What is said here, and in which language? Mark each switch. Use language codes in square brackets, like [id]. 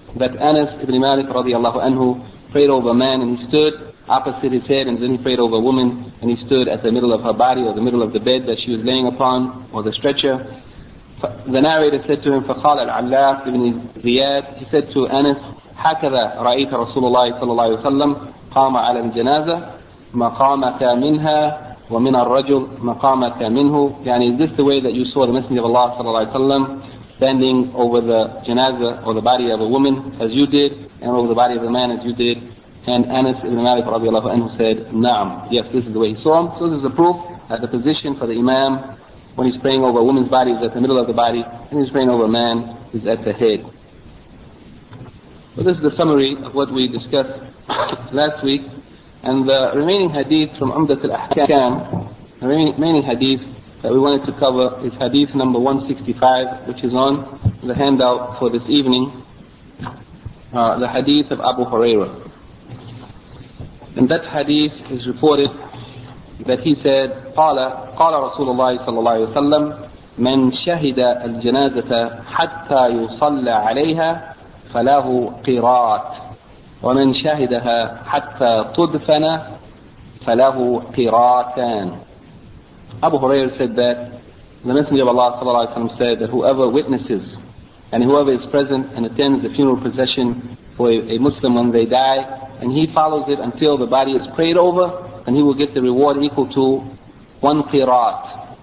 [en] That Anas ibn Malik radiallahu anhu prayed over a man, and he stood opposite his head, and then he prayed over a woman, and he stood at the middle of her body, or the middle of the bed that she was laying upon, or the stretcher. The narrator said to him, [ar] فَقَالَ الْعَلَّاقِ ibn الْزِيَادِ, [en] he said to Anas, [ar] هَكَذَا رَأَيْتَ رَسُولُ اللَّهِ صَلَى اللَّهِ وَسَلَّمْ قَامَ عَلَى الْجَنَازَةِ مَقَامَكَ مِنْهَا وَمِنَ الرَّجُلِ مَقَامَكَ مِنْهُ. [en] Yani, is this the way that you saw the Messenger of Allah صلى الله عليه وسلم standing over the janaza, or the body of a woman, as you did, and over the body of a man, as you did? And Anas ibn Malik radiallahu anhu said, Naam, yes, this is the way he saw him. So this is the proof that the position for the imam when he's praying over a woman's body is at the middle of the body, and he's praying over a man is at the head. So this is the summary of what we discussed last week. And the remaining hadith from Umdat al-Ahkam, the remaining hadith that we wanted to cover is hadith number 165, which is on the handout for this evening, the hadith of Abu Huraira. And that hadith is reported that he said, [ar] قال رسول الله صلى الله عليه وسلم من شهد الجنازة حتى يصلى عليها فله قراءات ومن شهدها حتى تدفن فله قراءتان. [en] Abu Hurairah said that the Messenger of Allah صلى الله عليه وسلم said that whoever witnesses and whoever is present and attends the funeral procession for a Muslim when they die, and he follows it until the body is prayed over, and he will get the reward equal to one qirat.